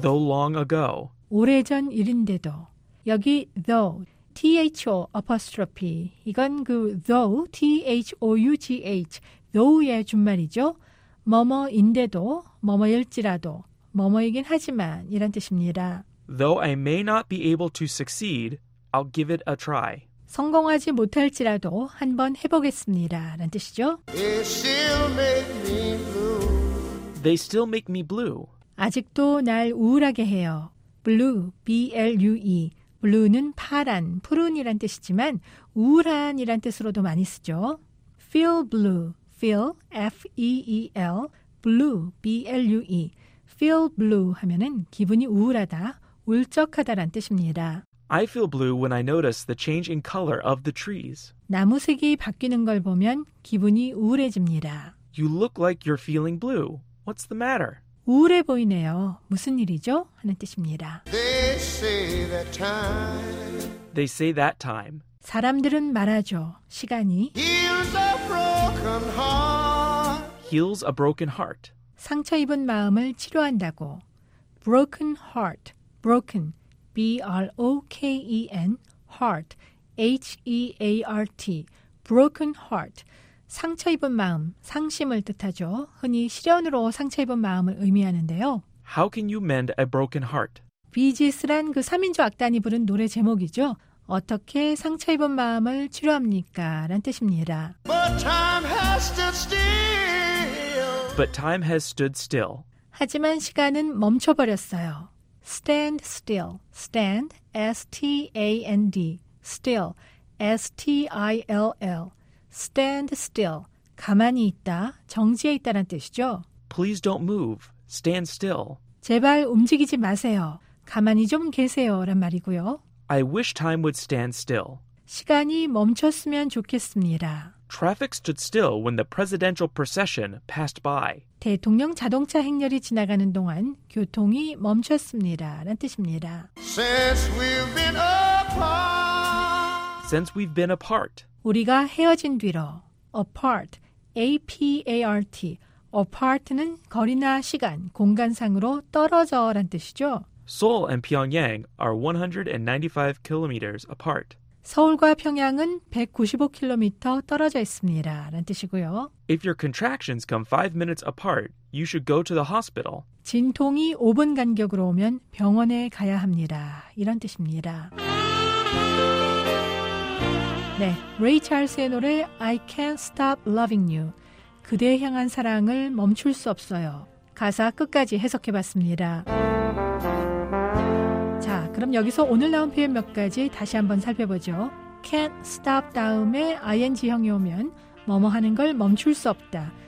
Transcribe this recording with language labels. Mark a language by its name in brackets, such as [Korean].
[English] Though long ago. [Korean] 오래전 일인데도. 여기 [English] though. T-H-O, apostrophe. [Korean] 이건 그 though, T-H-O-U-G-H, though의 준말이죠. 뭐뭐인데도, 뭐뭐일지라도, 뭐뭐이긴 하지만, 이런 뜻입니다. [English] Though I may not be able to succeed, I'll give it a try. [Korean] 성공하지 못할지라도 한번 해보겠습니다. 라는 뜻이죠. [English] They still make me blue. They still make me blue. [Korean] 아직도 날 우울하게 해요. [English] Blue, B-L-U-E. [Korean] Blue는 파란, 푸른이란 뜻이지만 우울한이란 뜻으로도 많이 쓰죠. [English] Feel blue, feel, F-E-E-L, blue, B-L-U-E. Feel blue [Korean] 하면은 기분이 우울하다, 울적하다란 뜻입니다. [English] I feel blue when I notice the change in color of the trees. [Korean] 나무 색이 바뀌는 걸 보면 기분이 우울해집니다. [English] You look like you're feeling blue. What's the matter? [Korean] 우울해 보이네요. 무슨 일이죠? 하는 뜻입니다. [English] They say that time. They say that time. [Korean] 사람들은 말하죠. 시간이 [English] heals a broken heart. Heals a broken heart. [Korean] 상처 입은 마음을 치료한다고. [English] Broken heart. Broken. B-R-O-K-E-N. Heart. H-E-A-R-T. Broken heart. [Korean] 상처 입은 마음, 상심을 뜻하죠. 흔히 시련으로 상처 입은 마음을 의미하는데요. [English] How can you mend a broken heart? [Korean] 비지스란 그 3인조 악단이 부른 노래 제목이죠. 어떻게 상처 입은 마음을 치료합니까? 라는 뜻입니다. [English] But time has stood still. But time has stood still. [Korean] 하지만 시간은 멈춰버렸어요. [English] Stand still. Stand, S-T-A-N-D. Still, S-T-I-L-L. Stand still. [Korean] 가만히 있다, 정지해 있다는 뜻이죠. [English] Please don't move. Stand still. [Korean] 제발 움직이지 마세요. 가만히 좀 계세요란 말이고요. [English] I wish time would stand still. [Korean] 시간이 멈췄으면 좋겠습니다. [English] Traffic stood still when the presidential procession passed by. [Korean] 대통령 자동차 행렬이 지나가는 동안 교통이 멈췄습니다란 뜻입니다. [English] Since we've been apart. Since we've been apart. [Korean] 우리가 헤어진 뒤로, [English] apart, A-P-A-R-T, apart [Korean] 는 거리나 시간, 공간상으로 떨어져 란 뜻이죠. [English] Seoul and Pyongyang are 195 kilometers apart. [Korean] 서울과 평양은 195km 떨어져 있습니다 란 뜻이고요. [English] If your contractions come 5 minutes apart, you should go to the hospital. [Korean] 진통이 5분 간격으로 오면 병원에 가야 합니다. 이런 뜻입니다. 네, 레이 찰스의 노래 [English] I Can't Stop Loving You. [Korean] 그대에 향한 사랑을 멈출 수 없어요. 가사 끝까지 해석해봤습니다. 자, 그럼 여기서 오늘 나온 표현 몇 가지 다시 한번 살펴보죠. [English] Can't stop [Korean] 다음에 ing형이 오면 뭐뭐 하는 걸 멈출 수 없다.